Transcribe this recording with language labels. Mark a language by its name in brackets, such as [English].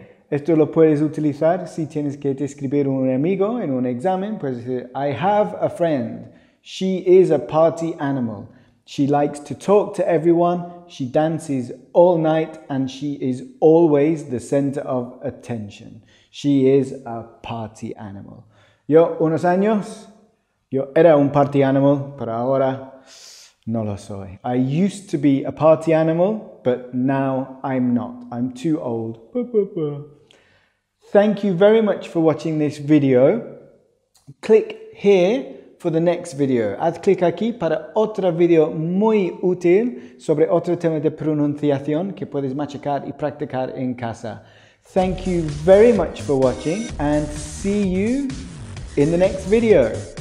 [Spanish] Esto lo puedes utilizar si tienes que describir un amigo en un examen, pues [English] I have a friend, she is a party animal, she likes to talk to everyone, she dances all night and she is always the center of attention. She is a party animal. [Spanish] Yo unos años, yo era un party animal, pero ahora no lo soy. [English] I used to be a party animal, but now I'm not. I'm too old. Thank you very much for watching this video. Click here for the next video. [Spanish] Haz clic aquí para otro video muy útil sobre otro tema de pronunciación que puedes machacar y practicar en casa. [English] Thank you very much for watching and see you in the next video.